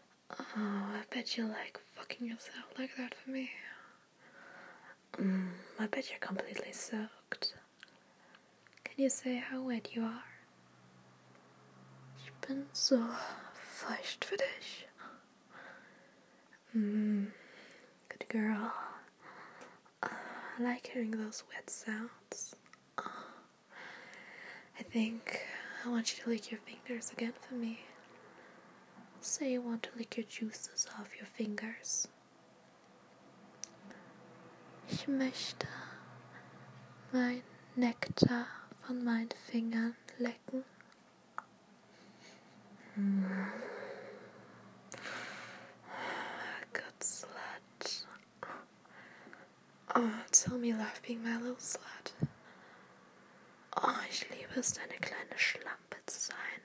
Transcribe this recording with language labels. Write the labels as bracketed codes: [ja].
[en] Oh, I bet you like fucking yourself like that for me. I bet you're completely soaked. Can you say how wet you are? [de] Ich bin so feucht für dich. [en] Good girl. I like hearing those wet sounds. I think I want you to lick your fingers again for me. Say you want to lick your juices off your fingers. [de] Ich möchte mein Nektar von meinen Fingern lecken. [en] Good slut. Oh, tell me you love being my little slut. [de] Oh, ich liebe es, deine kleine Schlampe zu sein.